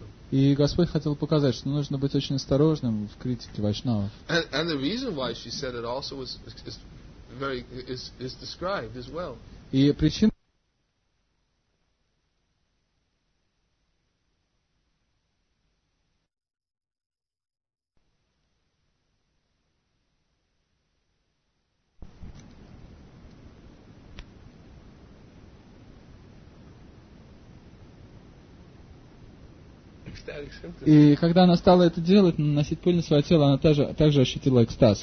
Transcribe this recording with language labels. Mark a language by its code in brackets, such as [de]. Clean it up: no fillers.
[ru] И Господь хотел показать, что нужно быть очень осторожным в критике вайшнавов. [en] And the reason why she said it also was very is described as well. [ru] И причина и когда она стала это делать, наносить пыль на свое тело, она также ощутила экстаз.